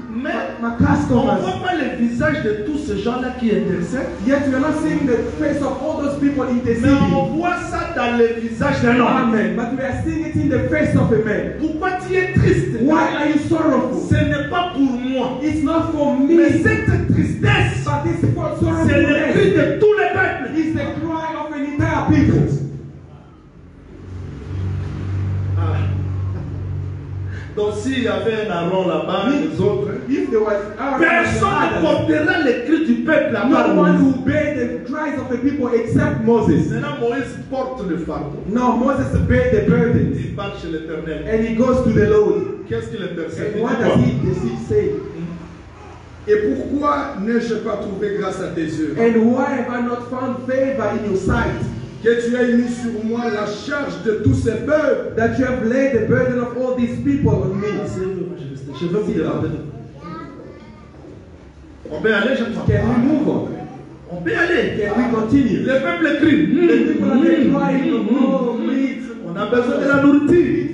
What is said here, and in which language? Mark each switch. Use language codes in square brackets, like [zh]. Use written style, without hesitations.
[fr] Mais on ne voit pas le visage de tous ces gens-là qui intercèdent. [en] Yet we are not seeing the face of all those people interceding. [fr] Mais on voit ça dans le visage d'un homme. [en] Amen. But we are seeing it in the face of a man. [fr] Pourquoi tu es triste? [en] Why are you sorrowful? [fr] Ce n'est pas pour moi. [en] It's not for me. [fr] Mais cette tristesse, [en] but this for sorrowful, [fr] c'est le cri de tous les peuples. [en] It's the cry of an entire people. [fr] Donc s'il y avait un Aaron là-bas, les autres, personne ne porterait les cris du peuple à part [en] Moïse. No one will bear the cries of the people except Moses. [fr] Maintenant Moïse porte le fardeau. [en] Now Moses bears the burden. [fr] Il part chez l'Éternel. [en] And he goes to the Lord. [fr] Qu'est-ce qu'il intercède? [en] What does he decide say? [fr] Et pourquoi n'ai-je pas trouvé grâce à tes yeux? [en] And why have I not found favor in your sight? [fr] Que tu as mis sur moi la charge de tous ces peuples. [en] That you have laid the burden of all these people on me. [fr] Je veux vous dire. On peut aller, je [en] crois. Can we move on? [fr] On peut aller. [en] Can we continue? [fr] Les peuples crient. Les peuples crient. On a besoin de la nourriture.